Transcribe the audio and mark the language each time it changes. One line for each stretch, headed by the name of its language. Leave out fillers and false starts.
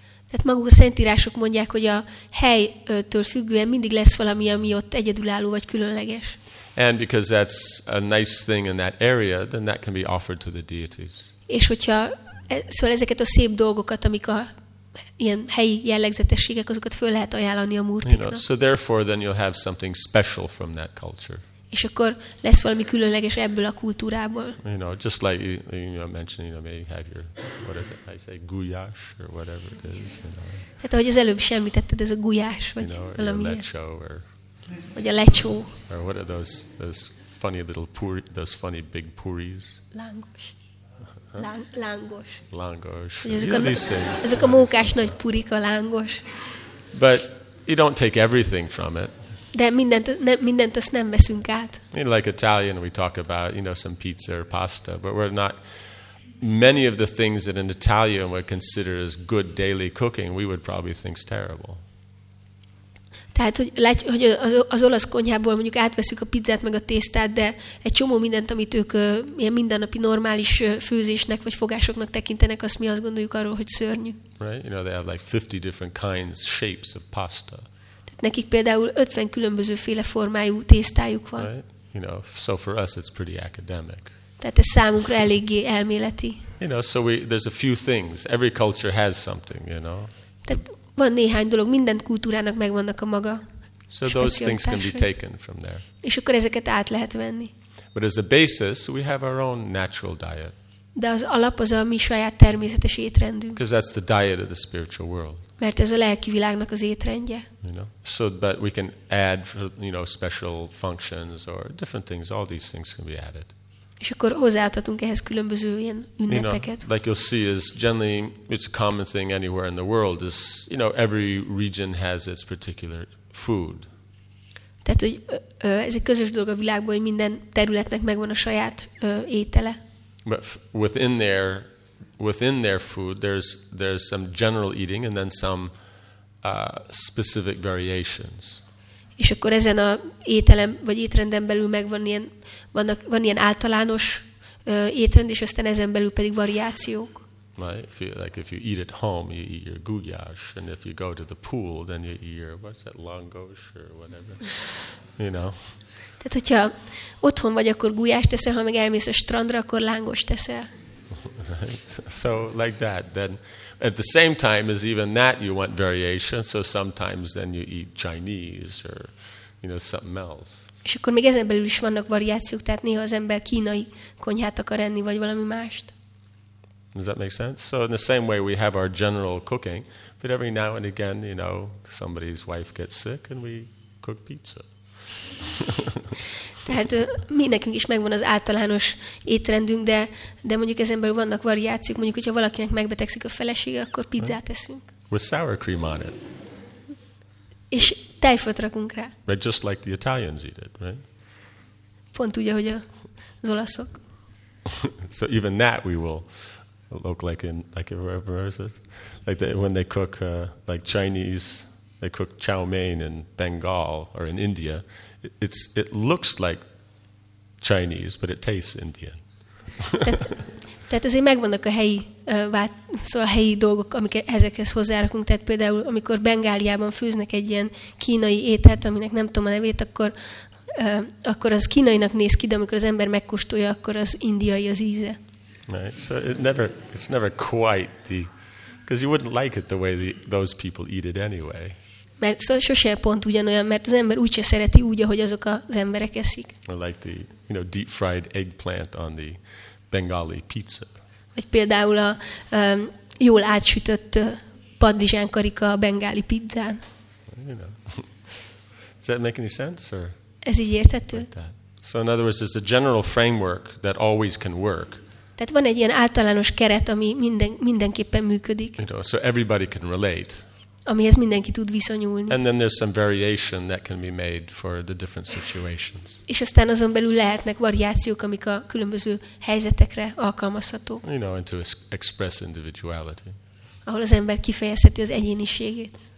Hungarian: Tehát maguk a szentírások mondják, hogy a helytől függően mindig lesz valami, ami ott egyedülálló vagy különleges.
English: And because that's a nice thing in that area, then that can be offered to the deities.
Hungarian: És hogyha szóval ezeket a szép dolgokat, amik a ilyen helyi jellegzetességek, azokat föl lehet ajánlani a murtiknak.
English: You know, so therefore, then you'll have something special from that culture.
Hungarian: És akkor lesz valami különleges ebből a kultúrából.
English: You know, just like you mentioned, you know, maybe have your, what is it, I say, gulyás, or whatever it is. You know.
Hungarian: Tehát ahogy az előbb is említetted, ez a gulyás, vagy
English: you know,
Hungarian: valami ilyen.
English: Lecho, or,
Hungarian: vagy a lecsó.
English: Or what are those funny little puri, those funny big puris?
Hungarian: Lángos. Lángos. Lángos. Ezek a mókás nagy purik, a lángos.
English: But you don't take everything from it.
Hungarian: De mindent azt nem veszünk át.
English: I mean, like Italian, we talk about, you know, some pizza or pasta, but we're not, many of the things that an Italian would consider as good daily cooking, we would probably think terrible.
Hungarian: Tehát, hogy az olasz konyhából mondjuk átveszük a pizzát meg a tésztát, de egy csomó mindent, amit ők ilyen mindennapi normális főzésnek vagy fogásoknak tekintenek, azt mi azt gondoljuk arról, hogy szörnyű.
English: Right? You know, they have like 50 different kinds, shapes of pasta.
Hungarian: Nekik például 50 különböző féle formájú tésztájuk van.
English: Right? You know, so for us it's pretty academic.
Hungarian: Tehát ez számunkra eléggé elméleti.
English: You know, so there's a few things. Every culture has something, you know.
Hungarian: Tehát van néhány dolog, minden kultúrának megvannak a maga.
English: So those things can be taken from there.
Hungarian: És akkor ezeket át lehet venni.
English: But as a basis, we have our own natural diet.
Hungarian: De az alap az a mi saját természetes étrendünk.
English: Because that's the diet of the spiritual world.
Hungarian: Mert ez a lelki világnak az étrendje.
English: You know? So, but we can add, you know, special functions or different things. All these things can be added.
Hungarian: És akkor hozzáadhatunk ehhez különböző ilyen ünnepeket.
English: You know, like you'll see, is generally it's a common thing anywhere in the world. Is, you know, every region has its particular food.
Hungarian: Tehát hogy ez egy közös dolog a világban, hogy minden területnek megvan a saját étele.
English: But within their food, there's some general eating and then some specific variations.
Hungarian: És akkor ezen a ételem vagy étrenden belül megvan ilyen van ilyen általános étrend, és aztán ezen belül pedig variációk.
English: Right? If you eat at home, you eat your gulyás, and if you go to the pool, then you eat your what's that, langos or whatever, you know.
Hungarian: Tehát hogyha otthon vagy, akkor gulyást teszel, ha meg elmész a strandra, akkor lángost teszel.
English: Right? So like that. Then at the same time as even that, you want variation. So sometimes then you eat Chinese or, you know, something else.
Hungarian: És akkor még ezen belül is vannak variációk, tehát néha az ember kínai konyhát akar enni, vagy valami mást.
English: Does that make sense? So in the same way we have our general cooking, but every now and again, you know, somebody's wife gets sick and we cook pizza.
Hungarian: Tehát mi nekünk is megvan az általános étrendünk, de mondjuk ezen belül vannak variációk, mondjuk hogyha valakinek megbetegszik a felesége, akkor pizzát eszünk.
English: With sour cream on it.
Hungarian: És tejfölt rakunk rá.
English: Right, just like the Italians eat it, right?
Hungarian: Pont úgy, ahogy az olaszok.
English: So even that we will look like in like wherever is it? Like they, when they cook like Chinese, they cook chow mein in Bengal or in India. It looks like Chinese, but it tastes Indian.
Hungarian: Tehát azért megvannak a helyi, szóval a helyi dolgok, amiket ezekhez hozzárakunk. Tehát például, amikor Bengáliában főznek egy ilyen kínai ételt, aminek nem tudom a nevét, akkor az kínainak néz ki, de amikor az ember megkóstolja, akkor az indiai az íze.
English: Right. So it's never quite the, because you wouldn't like it the way those people eat it anyway.
Hungarian: Mert szóval sose pont ugyanolyan, mert az ember úgyse szereti úgy, ahogy azok az emberek eszik.
English: Or like the, you know, deep fried eggplant on the Bengali pizza.
Hungarian: Vagy például a jól átsütött paddizsán karika a bengáli pizzán.
English: You know. Does that make any sense, or?
Hungarian: Ez így érthető?
English: Like that. So in other words, it's a general framework that always can work.
Hungarian: Tehát van egy ilyen általános keret, ami mindenképpen működik.
English: You know, so everybody can relate.
Hungarian: Amihez mindenki tud viszonyulni.
English: And then there's some variation that can be made for the different situations.
Hungarian: És aztán azon belül lehetnek variációk, amik a különböző helyzetekre alkalmazhatók.
English: You know, and to express individuality.
Hungarian: Ahol az ember kifejezheti az egyéniségét.